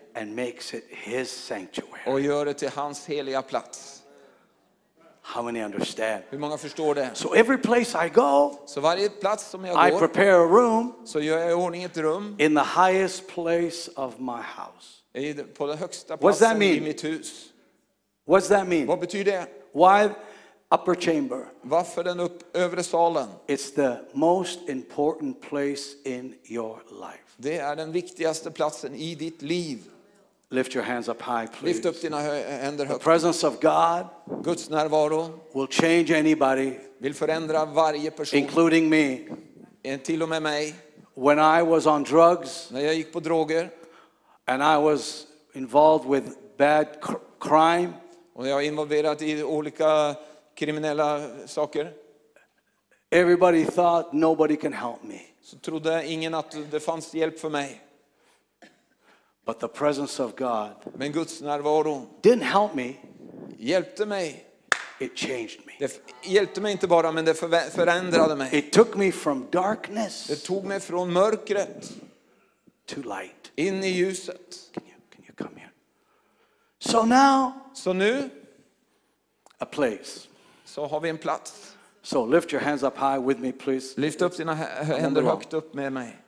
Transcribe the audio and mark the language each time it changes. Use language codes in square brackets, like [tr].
[en] And makes it His sanctuary. [sv] Och gör det till hans heliga plats. [en] How many understand? [sv] Hur många förstår det? [en] So every place I go. [sv] Så varje plats som jag [en] går. I prepare a room. [sv] Så gör jag i ordning ett rum. [en] In the highest place of my house. [sv] På den högsta platsen i mitt hus. [en] What does that mean? [sv] Vad betyder det? [en] Why upper chamber? [sv] Varför den övre salen? [en] It's the most important place in your life. [sv] Det är den viktigaste platsen i ditt liv. [en] Lift your hands up high, please. [sv] Lyft upp dina händer högt. [en] The presence of God. [sv] Guds närvaro. [en] Will change anybody. [sv] Vill förändra varje person. [en] Including me. [sv] Till och med mig. [en] When I was on drugs. [sv] När jag gick på droger. [en] And I was involved with bad crime. [sv] Och jag är involverad i olika kriminella saker. [en] Everybody thought nobody can help me. [sv] Så trodde ingen att det fanns hjälp för mig. [en] But the presence of God, [sv] men Guds närvaro, [en] didn't help me. [sv] Hjälpte mig. [en] It changed me. [sv] Det hjälpte mig inte bara, men det förändrade mig. [en] It took me from darkness. [sv] Det tog mig från mörkret [en] to light. [sv] In i ljuset. [en] Can you come here? So now. [sv] Så nu. [en] A place. [sv] Så har vi en plats. [en] So lift your hands up high with me, please. [sv] Lyft upp dina händer högt upp med mig.